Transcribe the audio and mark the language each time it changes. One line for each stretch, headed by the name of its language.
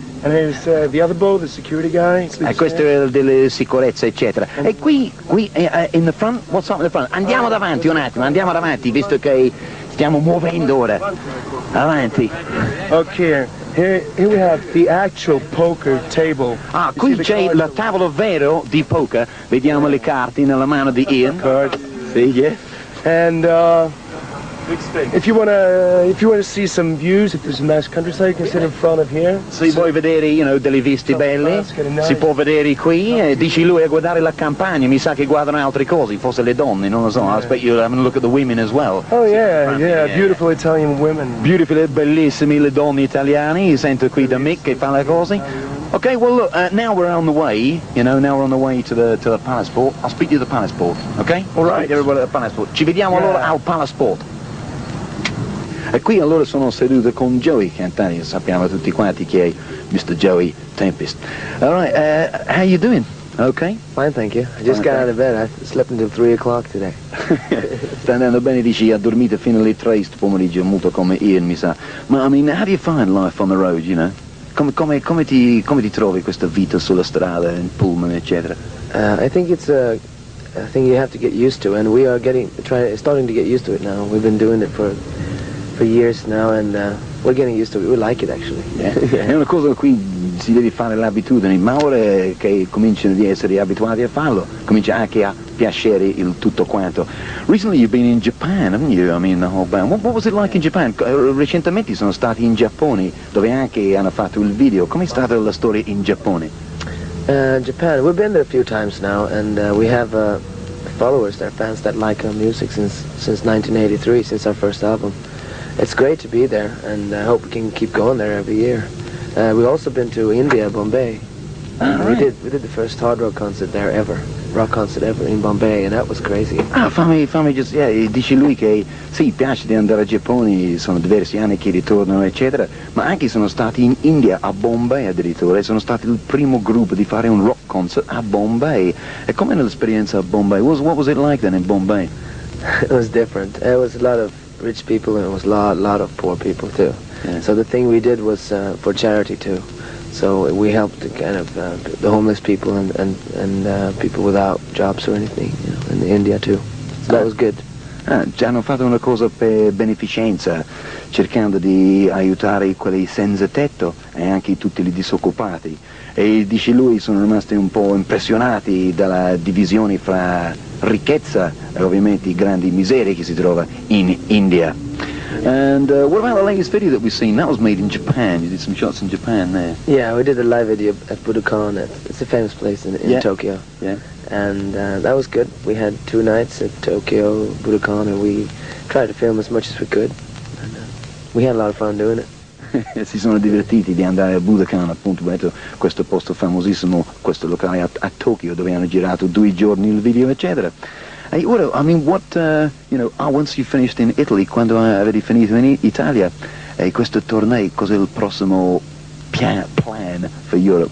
English: And here's the other boy, the security guy.
Italian: Questo è il delle sicurezza, eccetera.
English: E qui, in the front, what's up in the front?
Italian: Andiamo davanti un attimo, andiamo davanti, visto che stiamo muovendo ora. Avanti.
English: Okay. Here we have the actual poker table.
Italian: Ah, qui c'è il tavolo vero di poker. Vediamo le carte nella mano di Ian.
English: Card. Sì, yeah. And if you wanna see some views, if there's a nice countryside, you can sit in front of here.
Italian: Si può vedere, you know, delle viste belle. Si può vedere qui. Dici lui a guardare la campagna. Mi sa che guardano altre cose. Forse le donne, non lo so.
English: I expect you're having a look at the women as well. Oh yeah, yeah, beautiful Italian women.
Italian: Beautiful, bellissime le donne italiane. Sento qui da Mick che fa le cose.
English: Okay, well look, now we're on the way, you know, now we're on the way to the Palace Port. I'll speak to the Palace Port, okay? All right. Speak to everybody at the Palace Port.
Italian: Ci vediamo allora al Palace Port. E qui allora sono seduto con Joey Cantani, sappiamo tutti quanti chi è Mr.
English: Joey Tempest. All right, how you doing? Okay? Fine, thank you. I just got out of bed. I slept until 3 o'clock today.
Italian: Sta andando bene, dici, ha dormito fino alle 3 pomeriggio, molto come Ian, mi sa.
English: Ma, I mean, how do you find life on the road, you know?
Italian: Come ti trovi questa vita sulla strada, in pullman, eccetera?
English: I think it's a thing you have to get used to, and we are starting to get used to it now. We've been doing it for years now, and we're getting used to it. We like it, actually. Yeah.
Italian: Yeah. È una cosa che qui si deve fare l'abitudine, ma ora che cominciano di essere abituati a farlo, comincia anche a piacere il tutto quanto.
English: Recently you've been in Japan, haven't you? I mean, the whole band. What was it like in Japan?
Italian: Recentemente sono stati in Giappone, dove anche hanno fatto il video. Com'è stata la storia in Giappone?
English: Japan, we've been there a few times now, and we have followers there, fans that like our music since 1983, since our first album. It's great to be there, and I hope we can keep going there every year. We've also been to India, Bombay. We did the first hard rock concert there ever. Rock concert ever in Bombay, and that was crazy.
Italian: Ah, fammi just, yeah, dice lui che sì, piace di andare a Giappone, sono diversi anni che ritornano, eccetera, ma anche sono stati in India, a Bombay addirittura, e sono stato il primo gruppo di fare un rock concert a Bombay. E com'è l'esperienza a Bombay?
English: What was it like then in Bombay? It was different. It was a lot of rich people, and it was a lot of poor people too. Yeah. So the thing we did was for charity too. So we helped kind of the homeless people and people without jobs or anything, you know, in India too. So that was good.
Italian: Ah, hanno fatto una cosa per beneficenza, cercando di aiutare quelli senza tetto e anche tutti gli disoccupati. E dice lui, sono rimasti un po' impressionati dalla divisione fra ricchezza e ovviamente grandi miserie che si trova in India.
English: And what about the latest video that we've seen? That was made in Japan. You did some shots in Japan there. Yeah, we did a live video at Budokan. It's a famous place in Tokyo. Yeah. And that was good. We had two nights at Tokyo Budokan, and we tried to film as much as we could. And, we had a lot of fun doing it.
Italian: Si sono divertiti di andare a Budokan, appunto, detto, questo posto famosissimo, questo locale a Tokyo, dove hanno girato 2 giorni il video, eccetera.
English: Hey Udo, I mean, what, you know, once you finished in Italy,
Italian: quando avete finito in Italia, questo tournée, cos'è il prossimo
English: plan for Europe?